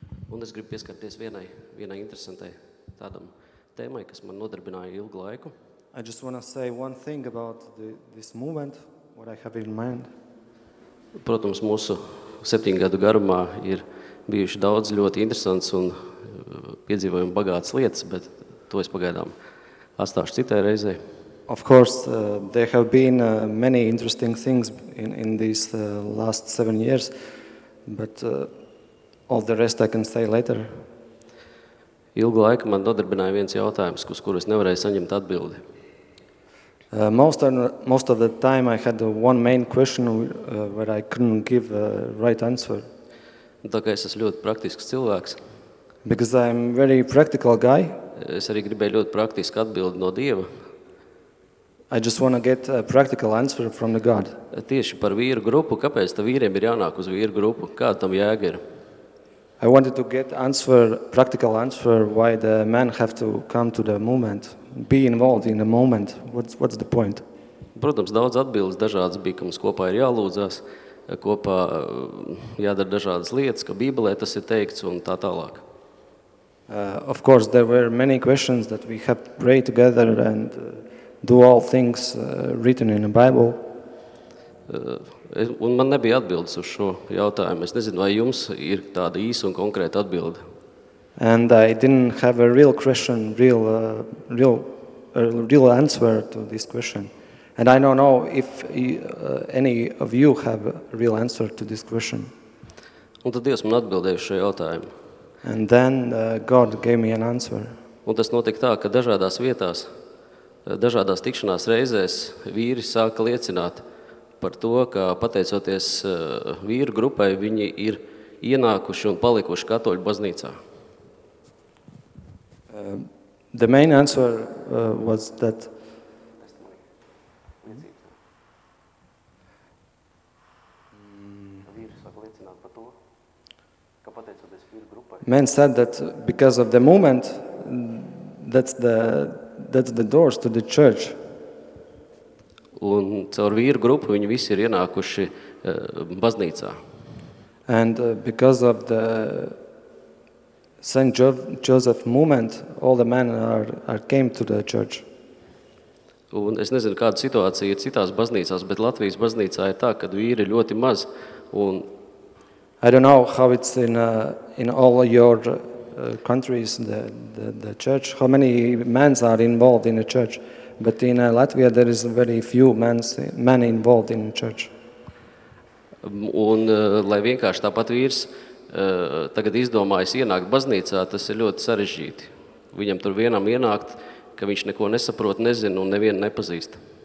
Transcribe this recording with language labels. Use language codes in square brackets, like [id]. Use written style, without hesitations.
[lv] Un es gribu pieskarties vienai interesantai tādam tēmai, kas man nodarbināja ilgu laiku. [en] I just want to say one thing about this movement, what I have in mind. [lv] Protams, mūsu 7 gadu garumā ir bijuši daudz ļoti interesants un piedzīvojumi bagātas lietas, bet to es pagaidām atstāšu citai reizei. [en] Of course, there have been many interesting things in these last 7 years, but all the rest I can say later. [lv] Ilgu laiku man nodarbināja viens jautājums, uz kuru es nevarēju saņemt atbildi. [en] Most of the time I had one main question where I couldn't give a right answer. [lv] Tā kā es esmu ļoti praktisks cilvēks. [en] Because I'm very practical guy. [lv] Es arī gribēju ļoti praktisku atbildi no Dieva. [en] I just want to get a practical answer from the God. [lv] Tieši par vīru grupu, kāpēc tam vīriem ir jānāk uz vīru grupu, kā tam jēga ir? [en] I wanted to get answer, practical answer, why the men have to come to the movement, be involved in the movement. What's the point? [lv] Protams, daudz atbildes dažādas bija, ka mums kopā ir jālūdzās, kopā jādara dažādas lietas, ka Bībelē tas ir teikts un tā tālāk. [en] Of course, there were many questions that we have prayed together and do all things written in the Bible. [lv] Un man nebija atbildes uz šo jautājumu. Es nezinu, vai jums ir tāda īsa un konkrēta atbilde. [en] And I didn't have a real question, real answer to this question. And I don't know if any of you have a real answer to this question. [lv] Un tad Dievs man atbildēja šo jautājumu. [en] And then God gave me an answer. [lv] Un tas notika tā, ka dažādās vietās, dažādās tikšanās reizēs vīri sāka liecināt par to, ka pateicoties vīru grupai, viņi ir ienākuši un palikuši katoļu baznīcā. [en] The main answer was that men said that because of the movement, that's the doors to the church. [lv] Un caur vīru grupu viņi visi ir ienākuši baznīcā. [en] And because of the St. Joseph movement, all the men are came to the church. [lv] Un es nezinu, kāda situācija ir citās baznīcās, bet Latvijas baznīcā ir tā, kad vīri ir ļoti maz. Un [en] I don't know how it's in all your countries, the church, how many men are involved in the church. But in Latvia there is very few men involved in church. [lv] Un lai vienkārši tāpat vīrs tagad izdomājas ienākt baznīcā, tas ir ļoti sarežģīti. Viņam tur vienam ienākt, ka viņš neko nesaprot, nezin un nevienu nepazīst.